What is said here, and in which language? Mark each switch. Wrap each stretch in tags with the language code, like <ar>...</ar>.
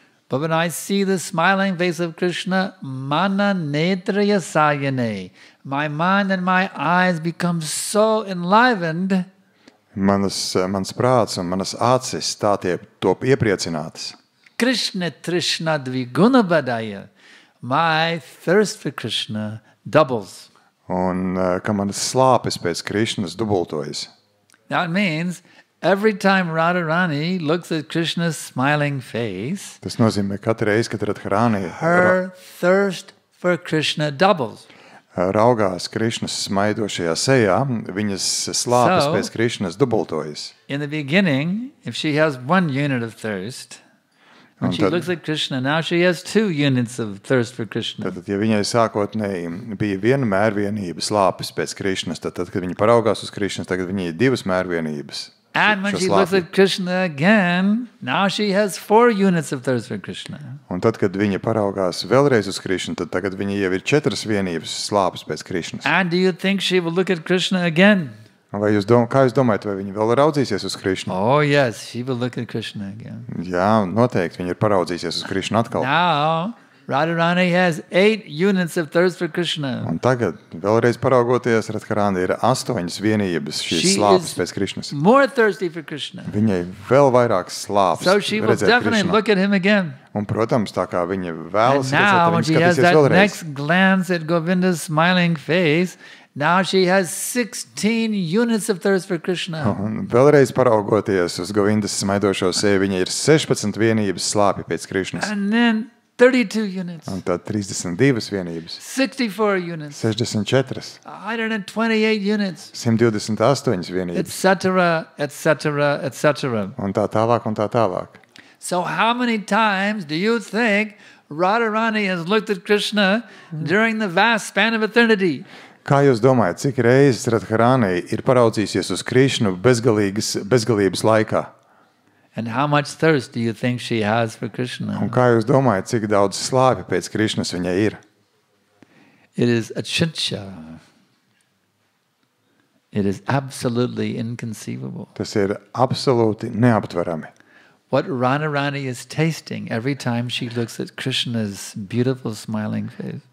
<en>but when I see the smiling face of Krishna,</en> <sa>mana netraya sayane,</sa> <en>my mind and my eyes become so enlivened,</en> <lv>mans prāts un manas acis tā tie top iepriecinātas.</lv> <sa>Krishna trishna dviguna badaya,</sa> <en>my thirst for Krishna doubles.</en> <lv>Un ka manas slāpes pēc Krishnas dubultojas.</lv> <en>That means every time Radharani looks at Krishna's smiling face,</en> <lv>tas nozīmē, katru reizi, kad Radharani</lv> <en>her thirst for Krishna doubles.</en> <lv>Raugās Krishnas smaidošajā sejā, viņas slāpes</lv> <en>so,</en> <lv>pēc Krishnas dubultojas.</lv> <en>In the beginning, if she has one unit of thirst, when she looks at Krishna, now she has two units of thirst for Krishna.</en> <lv>Tad, ja viņai sākotnēji bija viena mērvienība slāpes pēc Krishnas, tad, kad viņa paraugās uz Krishnas, tagad viņai ir divas mērvienības.</lv> <en>And when she looks at Krishna again, now she has four units of thirst for Krishna.</en> <lv>Un tad, kad viņa paraugās vēlreiz uz Krishnu, tad tagad viņa jau ir četras vienības slāpes pēc Krishnas.</lv> <en>And do you think she will look at Krishna again?</en> <lv>Vai jūs kā jūs domājat, vai viņa vēl raudzīsies uz Krishnu?</lv> <en>Oh yes, she will look at Krishna again.</en> <lv>Jā, noteikti viņa ir paraudzīsies uz Krishnu atkal.</lv> <en>Now, Radharani has eight units of thirst for Krishna.</en> <lv>Un tagad, vēlreiz paraugoties, Radharani ir astoņas vienības šīs</lv> <en>she</en> <lv>slāpes pēc Krishnas.</lv> <en>More thirsty for Krishna.</en> <lv>Viņai vēl vairāk slāpes redzēt Krishnu.</lv> <en>So she will definitely Krishna look at him again.</en> <lv>Un, protams, tā kā viņa vēlas</lv> <en>and</en> <lv>redzēt,</lv> <en>now,</en> <lv>viņa skatīsies</lv> <en>And now, when she has that next glance at Govinda's smiling face, now she has 16 units of thirst for Krishna.</en> <lv>Un vēlreiz paraugoties uz Govindas smaidošo seju, viņa ir 16 vienības slāpi pēc Krishnas.</lv> <en>And then 32 units.</en> <lv>Un tad 32 vienības.</lv> <en>64 units. 64. 128 units.</en> <lv>128 vienības.</lv> <en>Et cetera, et cetera, et cetera.</en> <lv>Un tā tālāk, un tā tālāk.</lv> <en>So how many times do you think Radharani has looked at Krishna during the vast span of eternity?</en> <lv>Kā jūs domājat, cik reizes Radharani ir paraudzījusies uz Krishnu bezgalības laikā?</lv> <en>And how much thirst do you think she has for Krishna?</en> <lv>Un kā jūs domājat, cik daudz slāpi pēc Krishnas viņai ir?</lv> <en>It is achincha. It is absolutely inconceivable.</en> <lv>Tas ir absolūti neaptverami.</lv> <en>What Radharani is tasting every time she looks at Krishna's beautiful smiling face.</en>